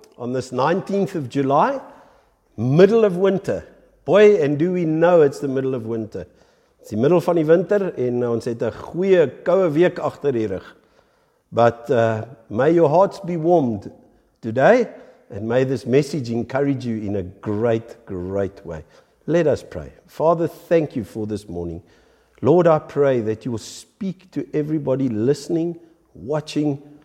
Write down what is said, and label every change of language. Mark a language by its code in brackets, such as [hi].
[en] On this 19th of July, middle of winter. Boy, and do we know it's the middle of winter. It's the middle [af] van die winter en ons het 'n goeie koue week agter die rug. [en] But may your hearts be warmed today and may this message encourage you in a great, great way. Let us pray. Father, thank you for this morning. Lord, I pray that you will speak to everybody listening, watching.